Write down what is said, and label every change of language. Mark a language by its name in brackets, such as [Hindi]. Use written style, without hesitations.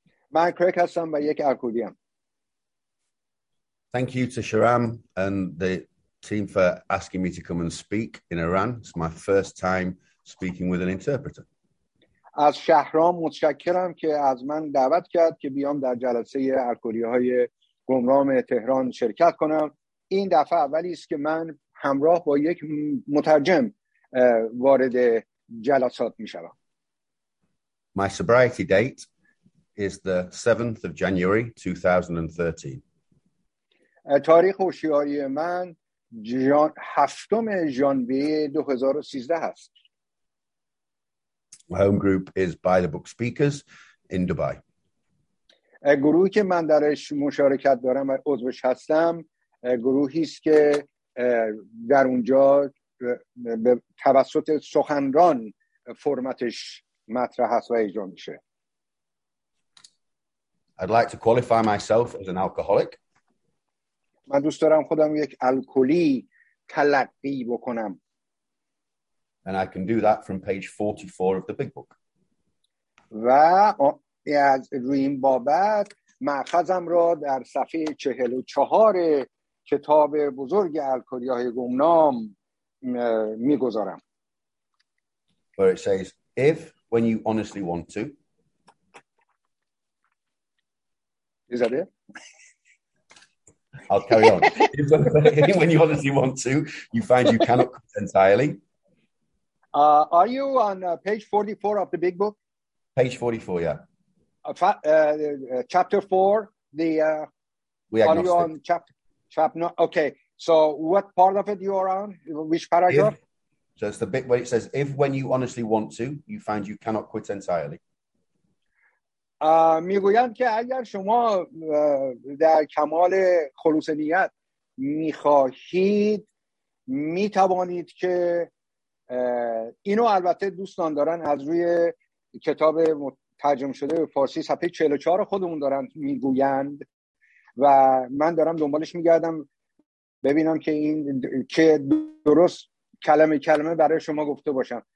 [Persian] من کریگ هستم و یک الکلی ام. [English] Thank you to Sharam and the team for asking me to come and speak in Iran. It's my first time speaking with an interpreter. [Persian] از شهرام متشکرم که از من دعوت کرد که بیام در جلسه الکلی‌های گمرام تهران شرکت کنم. این دفعه اولی است که من همراه با یک مترجم وارد جلسات می‌شوم. [English] My sobriety date is the 7th of January 2013. [Persian] تاریخ هوشیاری من 7 ژانویه 2013 است. [English] My home group is By the Book Speakers in Dubai. [Persian] گروهی که من درش مشارکت دارم و عضوش هستم گروهی است که در اونجا به توسط سخنران فرمتش مطرح است و اجرا میشه. [English] I'd like to qualify myself as an alcoholic. [Persian] من دوست دارم خودم یک الکلی تلقی بکنم. [English] And I can do that from page 44 of the big book. [Persian] و از روی این بابت مأخذم را در صفحه 44 کتاب بزرگ الکلی‌های گمنام می‌گذارم. [English] Where it says, if, when you honestly want to. Is that it? I'll carry on. When you honestly want to, you find you cannot quit entirely. Are you on page 44 of the big book? Page 44, yeah. Chapter 4, the... We agnostic. Are you on chapter... No, okay, so what part of it you are on? Which paragraph? So it's the bit where it says, if when you honestly want to, you find you cannot quit entirely. [Persian] میگویند که اگر شما در کمال خلوص نیت میخواهید میتوانید که اینو البته دوستان دارن از روی کتاب ترجمه شده به فارسی صفحه 44 خودمون دارن میگویند و من دارم دنبالش میگردم ببینم که این که درست کلمه کلمه برای شما گفته باشم.